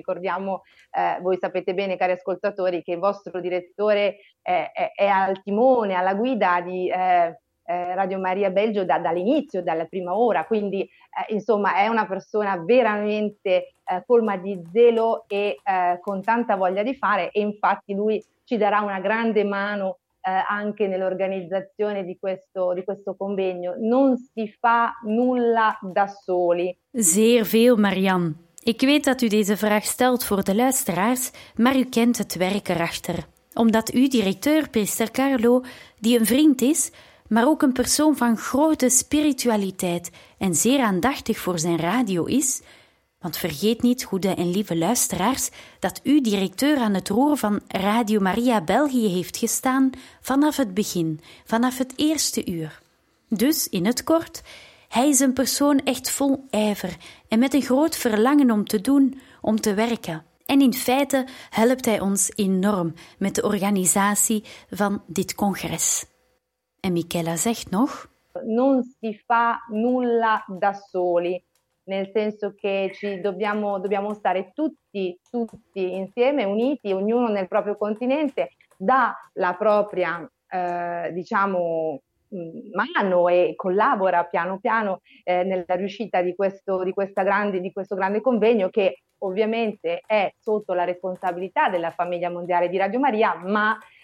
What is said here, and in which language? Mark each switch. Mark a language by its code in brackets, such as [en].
[it] Ricordiamo, voi sapete bene, cari ascoltatori, che il vostro direttore è al timone, alla guida di Radio Maria Belgio dall'inizio, dalla prima ora, quindi insomma è una persona veramente colma di zelo e con tanta voglia di fare, e infatti lui ci darà una grande mano anche nell'organizzazione di questo convegno. Non si fa nulla da soli. [nl] Zeer veel, Marianne. Ik weet dat u deze vraag stelt voor de luisteraars, maar u kent het werk erachter. Omdat uw directeur, priester Carlo, die een vriend is, maar ook een persoon van grote spiritualiteit en zeer aandachtig voor zijn radio is. Want vergeet niet, goede en lieve luisteraars, dat uw directeur aan het roer van Radio Maria België heeft gestaan vanaf het begin, vanaf het eerste uur. Dus, in het kort, hij is een persoon echt vol ijver en met een groot verlangen om te doen, om te werken. En in feite helpt hij ons enorm met de organisatie van dit congres. En Michela zegt nog: [it] non si fa nulla da soli, nel senso che ci dobbiamo stare tutti insieme, uniti, ognuno nel proprio continente, dalla propria diciamo mano, e collabora piano piano nella riuscita di questo grande convegno, che ovviamente è sotto la responsabilità della famiglia mondiale di Radio Maria, ma